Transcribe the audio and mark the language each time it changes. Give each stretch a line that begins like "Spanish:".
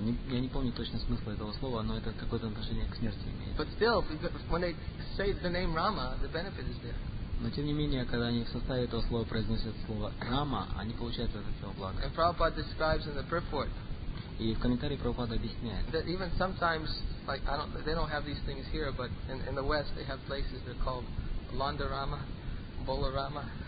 Russian: Я не помню точно смысла этого слова, но это какое-то отношение к смерти имеет.
English: But still, when they say the name Rama, the benefit is there.
Russian: Но тем не менее, когда они в составе этого слова произносят слово «рама», они получают от этого благо.
English: And Prabhupada describes in the purport,
Russian: и в комментарии Прабхупада объясняет,
English: that even sometimes, like, they don't have these things here, but in the West they have places that are called Londorama, Bolorama.